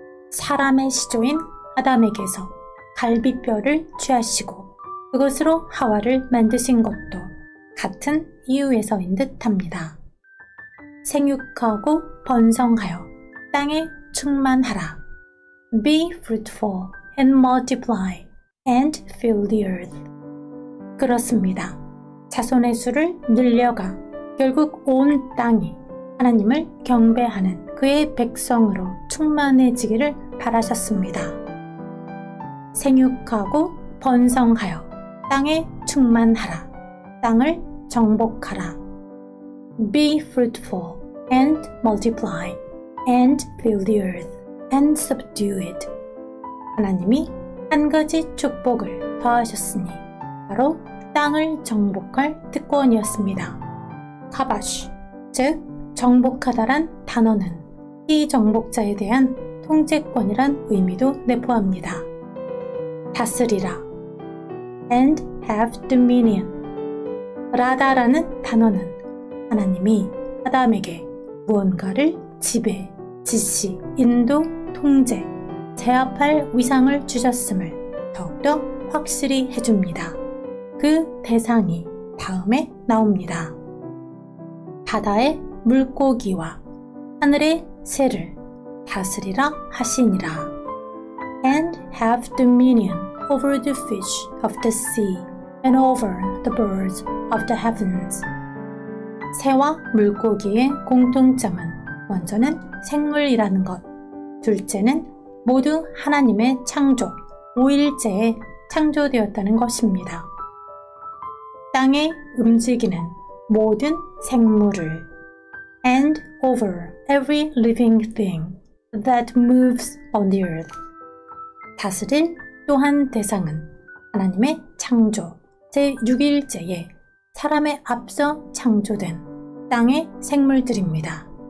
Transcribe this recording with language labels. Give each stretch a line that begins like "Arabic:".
Korean: 사람의 시조인 아담에게서 갈비뼈를 취하시고 그것으로 하와를 만드신 것도 같은 이유에서인 듯합니다. 생육하고 번성하여 땅에 충만하라.
English: Be fruitful and multiply and fill the earth.
Korean: 그렇습니다. 자손의 수를 늘려가 결국 온 땅이 하나님을 경배하는 그의 백성으로 충만해지기를 바라셨습니다. 생육하고 번성하여 땅에 충만하라. 땅을 정복하라.
English: Be fruitful. And multiply, and fill the earth, and subdue it.
Korean: 하나님이 한 가지 축복을 더하셨으니 바로 땅을 정복할 특권이었습니다. 카바쉬, 즉 정복하다란 단어는 피정복자에 대한 통제권이란 의미도 내포합니다. 다스리라,
English: and have dominion.
Korean: 라다라는 단어는 하나님이 아담에게 무언가를 지배, 지시, 인도, 통제, 제압할 위상을 주셨음을 더욱더 확실히 해줍니다. 그 대상이 다음에 나옵니다. 바다의 물고기와 하늘의 새를 다스리라 하시니라.
English: And have dominion over the fish of the sea and over the birds of the heavens.
Korean: 새와 물고기의 공통점은 먼저는 생물이라는 것, 둘째는 모두 하나님의 창조, 오일째에 창조되었다는 것입니다. 땅에 움직이는 모든 생물을
English: And over every living thing that moves on the earth
Korean: 다스릴 또한 대상은 하나님의 창조, 제6일째에 사람에 앞서 창조된 땅의 생물들입니다.